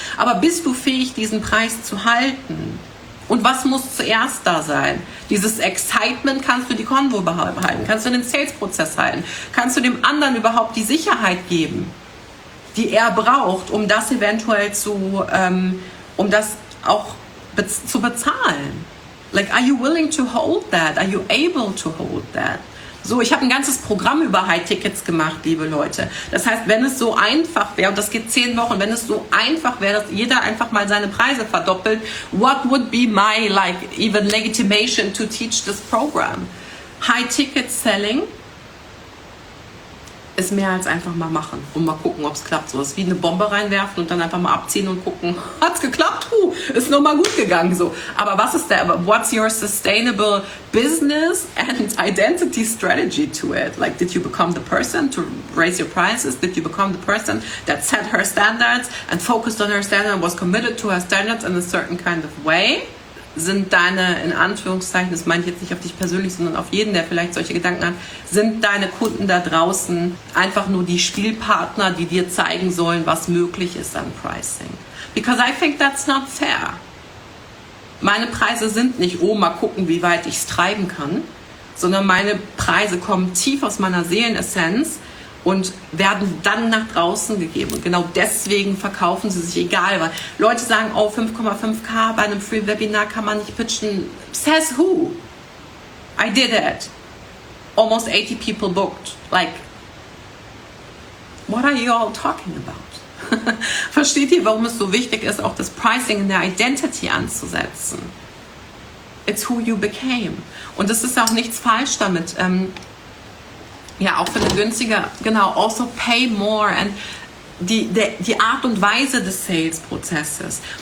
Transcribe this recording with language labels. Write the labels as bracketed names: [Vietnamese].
[German] Aber bist du fähig, diesen Preis zu halten? Und was muss zuerst da sein? Dieses Excitement, kannst du die Konvo behalten? Kannst du den Sales-Prozess halten? Kannst du dem anderen überhaupt die Sicherheit geben, die er braucht, um das eventuell zu, um das auch zu bezahlen? [English] Like, are you willing to hold that? Are you able to hold that? [German] So, ich habe ein ganzes Programm über High-Tickets gemacht, liebe Leute. Das heißt, wenn es so einfach wäre, und das geht 10 Wochen, wenn es so einfach wäre, dass jeder einfach mal seine Preise verdoppelt, [English] what would be my, like, even legitimation to teach this program? [German] High-Ticket-Selling ist mehr als einfach mal machen und mal gucken, ob es klappt. So ist wie eine Bombe reinwerfen und dann einfach mal abziehen und gucken, hat's geklappt? Huh, ist nochmal gut gegangen. So. Aber was ist der, [English] what's your sustainable business and identity strategy to it? Like, did you become the person to raise your prices? Did you become the person that set her standards and focused on her standards and was committed to her standards in a certain kind of way? [German] Sind deine, in Anführungszeichen, das meine ich jetzt nicht auf dich persönlich, sondern auf jeden, der vielleicht solche Gedanken hat, sind deine Kunden da draußen einfach nur die Spielpartner, die dir zeigen sollen, was möglich ist an Pricing? [English] Because I think that's not fair. [German] Meine Preise sind nicht, oh, mal gucken, wie weit ich es treiben kann, sondern meine Preise kommen tief aus meiner Seelenessenz und werden dann nach draußen gegeben. Und genau deswegen verkaufen sie sich, egal. Weil Leute sagen, oh, 5,5K bei einem Free-Webinar kann man nicht pitchen. [English] Says who? I did it. Almost 80 people booked. Like, what are you all talking about? [German] Versteht ihr, warum es so wichtig ist, auch das Pricing in der Identity anzusetzen? [English] It's who you became. [German] Und es ist auch nichts falsch damit. Ja, auch für eine günstige, genau, also [English] pay more. [German] And die Art und Weise des Sales-Prozesses.